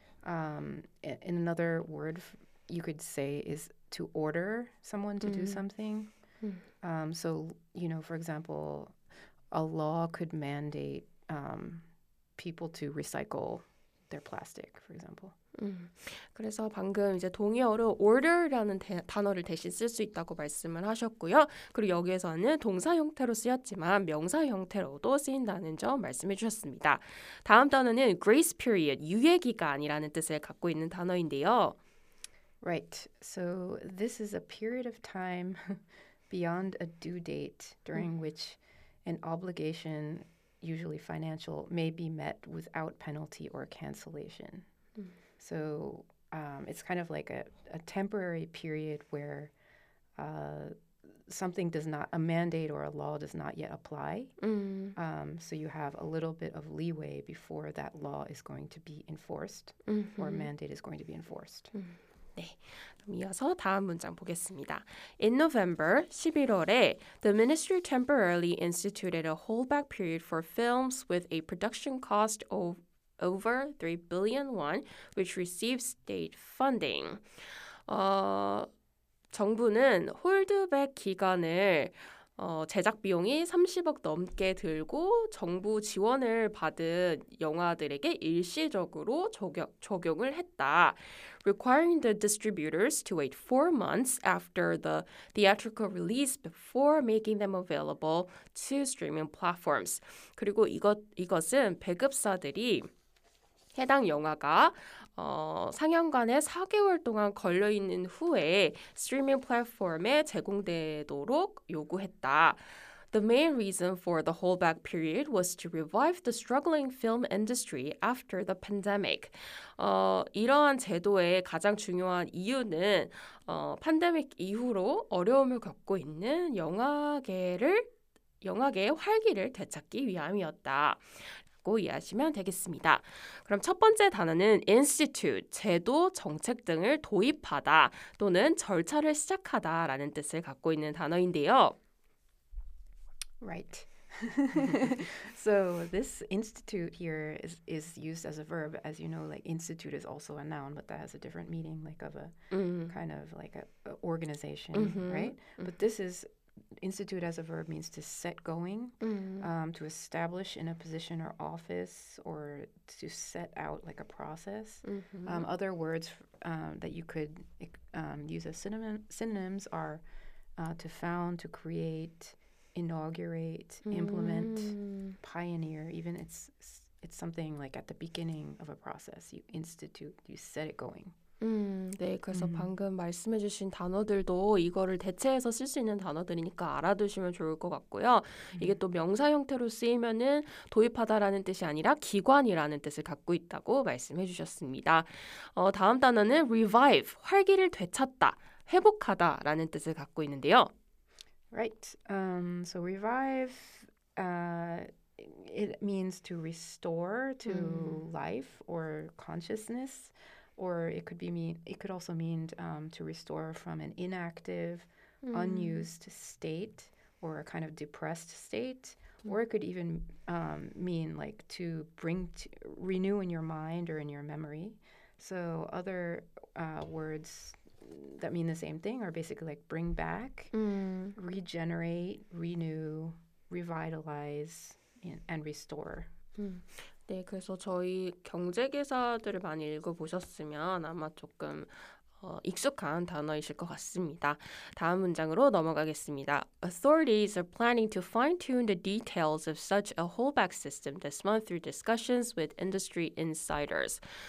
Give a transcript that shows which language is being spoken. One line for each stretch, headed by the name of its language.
English: In another word, you could say is to order someone to do something. Mm. So, you know, for example, a law could mandate people to recycle their plastic, for example.
Korean: 그래서 방금 이제 동의어로 order라는 단어를 대신 쓸 수 있다고 말씀을 하셨고요. 그리고 여기에서는 동사 형태로 쓰였지만 명사 형태로도 쓰인다는 점 말씀해 주셨습니다. 다음 단어는 grace period, 유예 기간이라는 뜻을 갖고 있는 단어인데요.
English: Right. So this is a period of time beyond a due date during which an obligation, usually financial, may be met without penalty or cancellation. So it's kind of like a temporary period where something does not, a mandate or a law does not yet apply. So you have a little bit of leeway before that law is going to be enforced or mandate is going to be enforced.
Korean: 네, 이어서 다음 문장 보겠습니다.
English: In November,
Korean: 11월에
English: the ministry temporarily instituted a holdback period for films with a production cost of over 3 billion won, which received state funding.
Korean: 정부는 홀드백 기간을 제작 비용이 30억 넘게 들고 정부 지원을 받은 영화들에게 일시적으로 적용을 했다.
English: Requiring the distributors to wait 4 months after the theatrical release before making them available to streaming platforms.
Korean: 그리고 이것은 배급사들이 해당 영화가 상영관에 4개월 동안 걸려 있는 후에 스트리밍 플랫폼에 제공되도록 요구했다.
English: The main reason for the holdback period was to revive the struggling film industry after the pandemic.
Korean: 이러한 제도의 가장 중요한 이유는 팬데믹 이후로 어려움을 겪고 있는 영화계의 활기를 되찾기 위함이었다. 이해하시면 되겠습니다. 그럼 첫 번째 단어는 institute, 제도, 정책 등을 도입하다 또는 절차를 시작하다 라는 뜻을 갖고 있는 단어인데요.
English: Right. So this institute here is used as a verb. As you know, like institute is also a noun, but that has a different meaning, like of a kind of like an organization, right? But this is institute as a verb means to set going, to establish in a position or office, or to set out like a process. Other words that you could use as synonyms are to found, to create, inaugurate, implement, pioneer. Even it's something like at the beginning of a process. You institute, you set it going.
Korean: 네, 그래서 방금 말씀해 주신 단어들도 이거를 대체해서 쓸 수 있는 단어들이니까 알아두시면 좋을 것 같고요. 이게 또 명사 형태로 쓰이면은 도입하다라는 뜻이 아니라 기관이라는 뜻을 갖고 있다고 말씀해 주셨습니다. 다음 단어는 revive, 활기를 되찾다, 회복하다 라는 뜻을 갖고 있는데요. Right. So revive, it means to restore to life or consciousness. Or it could be it could also mean to restore from an inactive, unused state or a kind of depressed state. Or it could even mean like to bring renew in your mind or in your memory. So other words that mean the same thing are basically like bring back, regenerate, renew, revitalize, and restore. 네, 그래서 저희 경제계사들을 많이 읽어보셨으면 아마 조금 익숙한 단어이실 것 같습니다. 다음 문장으로 넘어가겠습니다.
English: Authorities are planning to fine-tune the details of such a holdback system this month through discussions with industry insiders.